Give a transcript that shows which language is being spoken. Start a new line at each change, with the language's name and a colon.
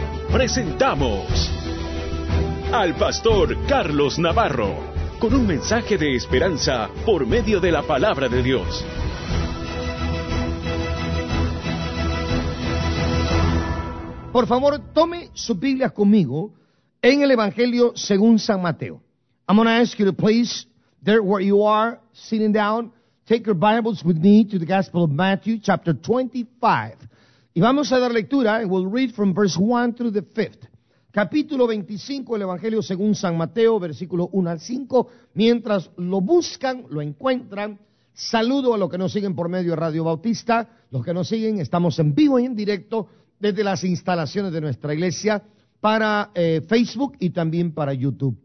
Spanish: Presentamos al Pastor Carlos Navarro, con un mensaje de esperanza por medio de la Palabra de Dios. Por favor, tome sus Biblias conmigo en el Evangelio según San Mateo.
English: I'm going to ask you to please, there where you are, sitting down, take your Bibles with me to the Gospel of Matthew, chapter 25.
Spanish: Y vamos a dar lectura,
English: and we'll read from verse 1 through the 5th.
Spanish: Capítulo 25, el Evangelio según San Mateo, versículo 1 al 5. Mientras lo buscan, lo encuentran, saludo a los que nos siguen por medio de Radio Bautista. Los que nos siguen, estamos en vivo y en directo desde las instalaciones de nuestra iglesia para Facebook y también para YouTube.